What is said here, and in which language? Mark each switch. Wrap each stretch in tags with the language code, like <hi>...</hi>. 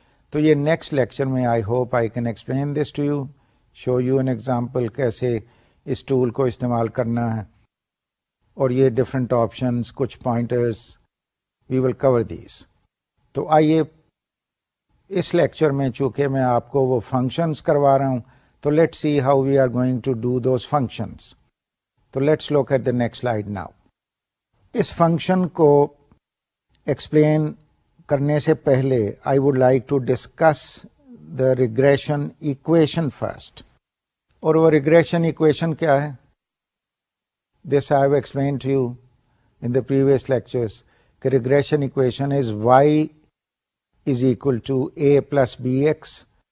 <ur>تو یہ next lecture میں</ur> <en>I hope I can explain this to you, show you an example</en> <ur>کیسے اس tool کو استعمال کرنا ہے اور یہ ڈفرینٹ آپشنس, کچھ pointers,</ur> <en>We will cover these.</en> <ur>تو آئیے اس لیکچر میں چونکہ میں آپ کو وہ فنکشنس کروا رہا ہوں تو</ur> <en>Let see how we are going to do those functions. تو let's look at the next slide now.</en> <ur>اس function کو ایکسپلین کرنے سے پہلے</ur> <en>I would like to discuss the regression equation first.</en> <ur>اور وہ ریگریشن ایکویشن کیا ہے,</ur> <en>This I have explain to you in the previous lectures کہ regression equation is Y is equal to A plus B X.</en>